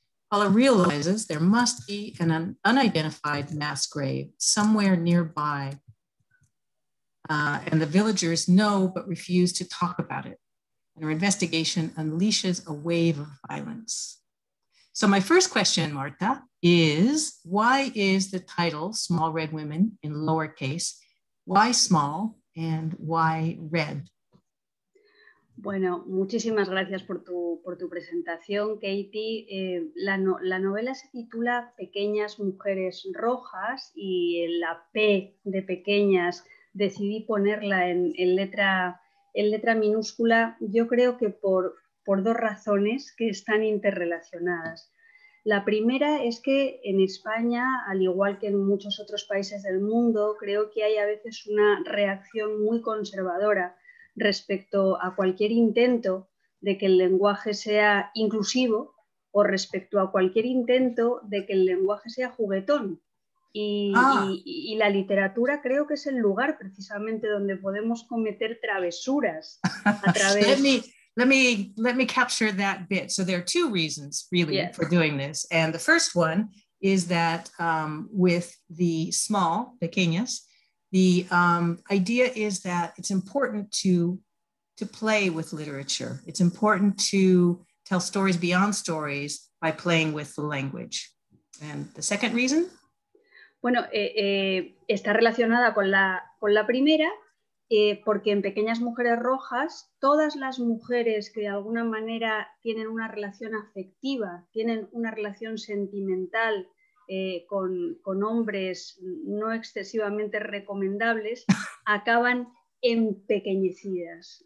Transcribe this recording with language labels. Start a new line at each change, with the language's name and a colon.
English: Paula realizes there must be an unidentified mass grave somewhere nearby, and the villagers know but refuse to talk about it. And her investigation unleashes a wave of violence. So my first question, Marta, is why is the title Small Red Women in lowercase? Why small and why red?
Spanish: Bueno, muchísimas gracias por tu presentación, Katie. La novela se titula Pequeñas Mujeres Rojas y la P de pequeñas decidí ponerla en letra minúscula, yo creo que por dos razones que están interrelacionadas. La primera es que en España, al igual que en muchos otros países del mundo, creo que hay a veces una reacción muy conservadora respecto a cualquier intento de que el lenguaje sea inclusivo o respecto a cualquier intento de que el lenguaje sea juguetón. Y la literatura creo que es el lugar precisamente donde podemos cometer travesuras a través...
English: Let me capture that bit. So there are two reasons really yes. for doing this. And the first one is that with the small, pequeñas, the idea is that it's important to play with literature. It's important to tell stories beyond stories by playing with the language. And the second reason?
Spanish: Bueno, está relacionada con la primera. Porque en Pequeñas Mujeres Rojas, todas las mujeres que de alguna manera tienen una relación afectiva, tienen una relación sentimental con hombres no excesivamente recomendables, acaban empequeñecidas.